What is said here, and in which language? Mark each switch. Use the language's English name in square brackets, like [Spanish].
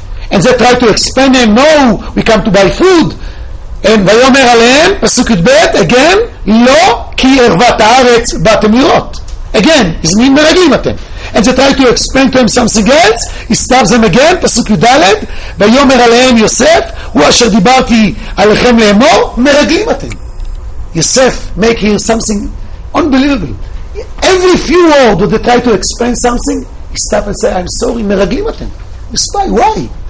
[English] And they try to explain him, no, we come to buy food. And [Hebrew] ויאמר עליהם פסוק י"ב, [English] again, [Hebrew] לא כי ערוות הארץ באתם לראות. [English] Again, he's mean [Hebrew] מרגלים אתם. [English] And they try to explain to him something else, he stops them again, [Hebrew] פסוק י"ד, ויאמר עליהם יוסף, הוא אשר דיברתי עליכם לאמור, מרגלים אתם. [English] Yosef make here something unbelievable. every few words that they try to explain something, he stop and say, I'm sorry, [Hebrew] meragelim atem. [English] You spy, why?